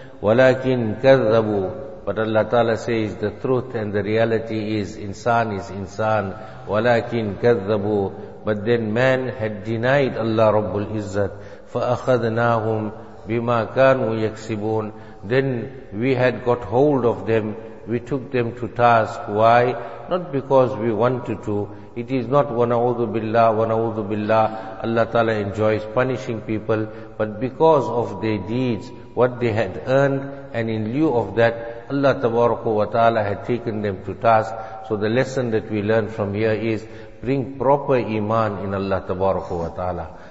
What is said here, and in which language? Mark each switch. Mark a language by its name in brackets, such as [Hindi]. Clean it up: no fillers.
[Arabic] Walakin kadhabu. [English] But Allah ta'ala says the truth and the reality is insan, [Arabic] walakin kadhabu. [English] But then man had denied Allah Rabbul Izzat. [Arabic] فَأَخَذْنَاهُمْ بِمَا كَانُوا يَكْسِبُونَ. [English] Then we had got hold of them. We took them to task. Why? Not because we wanted to. It is not [Arabic] وَنَعُوذُ بِاللَّهِ وَنَعُوذُ بِاللَّهِ. [English] Allah Ta'ala enjoys punishing people. But because of their deeds, what they had earned, and in lieu of that, Allah Tabaraka wa Ta'ala had taken them to task. So the lesson that we learn from here is, bring proper iman in Allah tabaraka wa ta'ala.